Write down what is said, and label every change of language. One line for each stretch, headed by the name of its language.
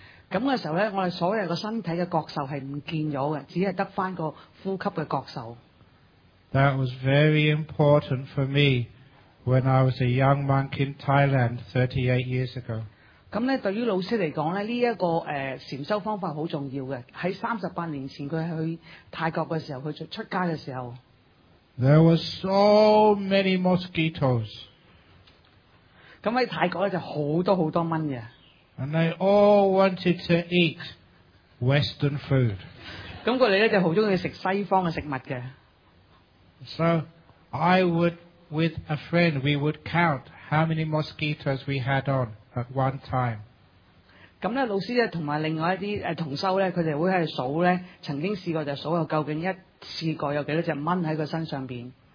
Cantonese: 咁嘅时候咧，我哋所有个身体嘅觉受系唔见咗嘅，只系得翻个呼吸嘅觉受。
English: That was very important for me. When I was a young monk in Thailand 38 years ago.
Cantonese: 咁咧，对于老师嚟讲咧，这个禅修方法好重要嘅。喺38年前，佢去泰国嘅时候，佢出家嘅时候。
English: There were so many mosquitoes.
Cantonese: 咁喺泰国咧就好多好多蚊嘅。
English: And they all wanted to eat Western food.
Cantonese: 咁佢哋咧就好中意食西方嘅食物嘅。
English: So I would, with a friend, we would count how many mosquitoes we had on at one time.
Cantonese: 咁咧，老師咧同埋另外一啲同修咧，佢哋會喺度數咧，曾經試過就數下究竟一次過有幾多隻蚊喺佢身上邊。